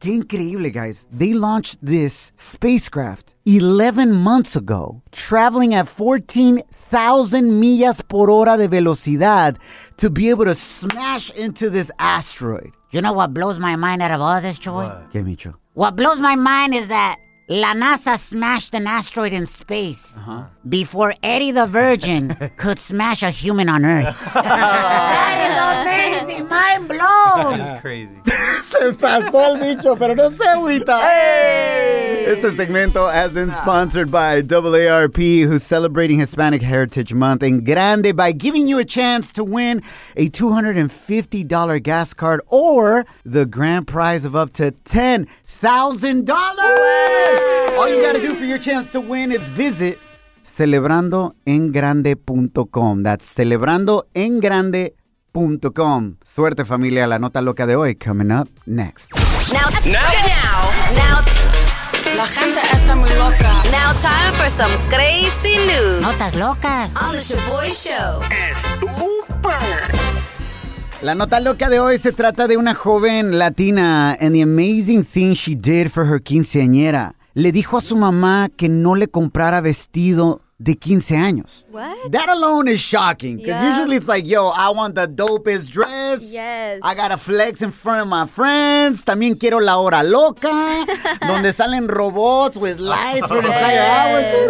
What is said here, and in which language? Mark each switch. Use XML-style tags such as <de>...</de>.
<es>Qué increíble,</es> <en>guys. They launched this spacecraft 11 months ago, traveling at 14,000</en> <es>millas por hora de velocidad</es> <en>to be able to smash into this asteroid. You know what blows my mind out of all this, Choy? What? Give me, Choy. What blows my mind is that La NASA smashed an asteroid in space before Eddie the Virgin could smash a human on Earth. That is amazing. Mind blown. That is crazy.</en> <es>Se pasó el bicho, pero no se agüita. Hey! Este segmento</es> <en>has been sponsored by AARP, who's celebrating Hispanic Heritage Month in grande by giving you a chance to win a $250 gas card or the grand prize of up to $10,000. All you got to do for your chance to win is visit celebrandoengrande.com. That's celebrandoengrande.com.</en> <es>Suerte, familia. La nota loca de hoy</es> <en>coming up next. Now.</en> <es>La gente está muy loca.</es> <en>Now time for some crazy news.</en> <es>Notas locas.</es> <en>On the Shaboy Show.</en> <es>La nota loca de hoy se trata de una joven latina</es> <en>and the amazing thing she did for her quinceañera.</en> <es>Le dijo a su mamá que no le comprara vestido de 15 años.</es> <en>What? That alone is shocking. Because usually it's like, yo, I want the dopest dress. Yes. I gotta flex in front of my friends.</en> <es>También quiero la hora loca. Donde salen robots</es> <en>with lights for an entire hour.</en>